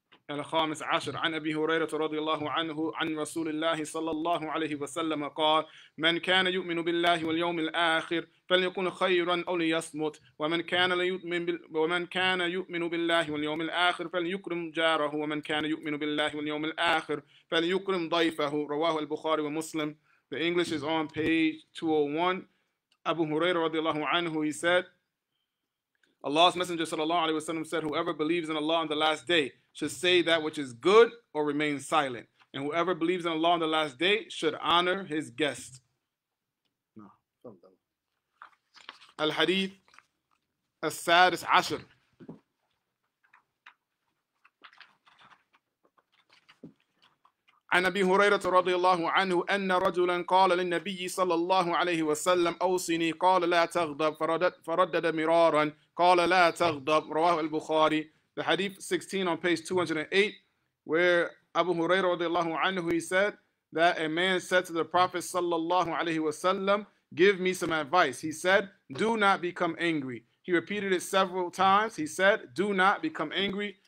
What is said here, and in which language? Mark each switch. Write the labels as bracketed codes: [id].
[ar] الخامس عشر عن أبي هريرة رضي الله عنه عن رسول الله صلى الله عليه وسلم قال من كان يؤمن بالله واليوم الآخر فليكن خيرا أو ليصمت ومن كان يؤمن بالله واليوم الآخر فليكرم جاره ومن كان يؤمن بالله واليوم الآخر فليكرم ضيفه رواه البخاري ومسلم. [en] The English is on page 201. [ar] أبو هريرة رضي الله عنه, [en] he said, Allah's Messenger sallallahu alaihi wasallam said, whoever believes in Allah on the last day should say that which is good or remain silent. And whoever believes in Allah on the last day should honor his guest. [ar] Al-Hadith As-Sadis Ashr. عن أبي هريرة رضي الله عنه أن رجلا قال للنبي صلى الله عليه وسلم أوصني قال لا تغضب فردد مرارا قال لا تغضب رواه البخاري. [en] The hadith 16 on page 208, where Abu Hurairah radiallahu anhu, he said that a man said to the Prophet sallallahu alaihi wasallam, give me some advice. He said, do not become angry. He repeated it several times. He said, do not become angry.